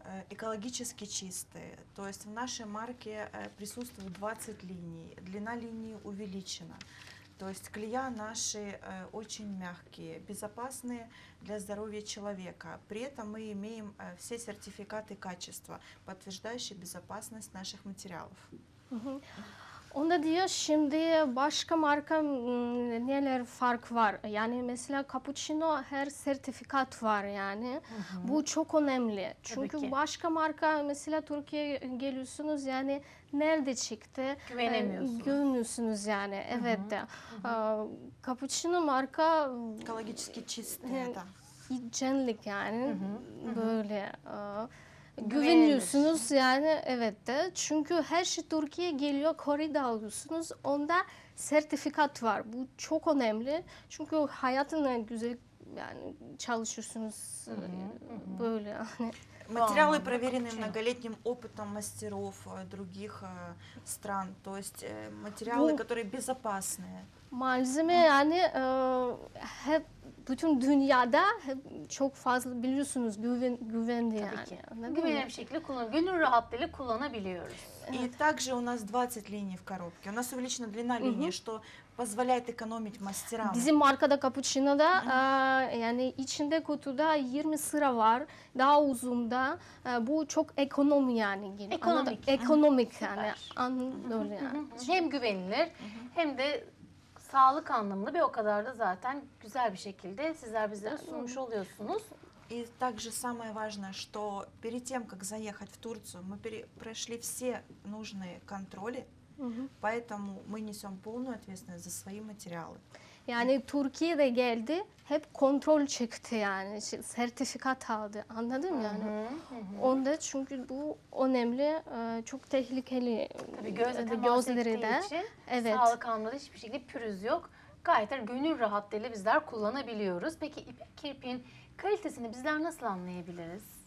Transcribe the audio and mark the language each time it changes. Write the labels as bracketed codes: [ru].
[ru] Экологически чистые, то есть в нашей марке присутствует 20 линий, длина линии увеличена, то есть клея наши очень мягкие, безопасные для здоровья человека, при этом мы имеем все сертификаты качества, подтверждающие безопасность наших материалов. [tr] Он diyor şimdi başka marka neler fark var? Yani mesela cappuccino her sertifikat var yani. Bu çok önemli. Çünkü başka marka mesela Türkiye'ye geliyorsunuz yani nerede çıktı? Güvenemiyorsunuz. Güvenmiyorsunuz yani. Evet. Cappuccino marka ekolojik çistliğe de. Hijyenlik yani böyle. Güveniyorsunuz yani evet de çünkü her şey Türkiye geliyor, Kore'de alıyorsunuz, onda sertifikat var, bu çok önemli çünkü hayatını güzel yani çalışıyorsunuz böyle yani. [ru] Материалы проверены многолетним опытом мастеров других стран, то есть материалы, которые безопасные. [tr] Malzeme yani hep bütün dünyada çok fazla biliyorsunuz güvendi yani. Tabii ki. Güvenli bir şekilde kullanıyoruz. Gönül rahatlığıyla kullanabiliyoruz. [ru] И также у нас 20 линий в коробке. У нас увеличена длина линии, что позволяет экономить мастерам. [tr] Bizim markada cappuccino'da yani içinde kutuda 20 sıra var. Daha uzun da. Bu çok ekonomi yani. Ekonomik yani. Anladım yani. Hem güvenilir hem de sağlık anlamlı bir o kadar da zaten güzel bir şekilde sizler bizlere sunmuş oluyorsunuz. [ru] И также самое важное, что перед тем, как заехать в Турцию, мы прошли все нужные контроли, поэтому мы несем полную ответственность за свои материалы. [tr] Yani Türkiye'de geldi, hep kontrol çıktı yani, sertifikat aldı, anladın mı yani? Onda çünkü bu önemli, çok tehlikeli. Tabii gözle temas ettiği için, evet. Sağlık anlamında hiçbir şekilde pürüz yok. Gayet gönül rahatlığıyla bizler kullanabiliyoruz. Peki İpek Kirpik'in kalitesini bizler nasıl anlayabiliriz?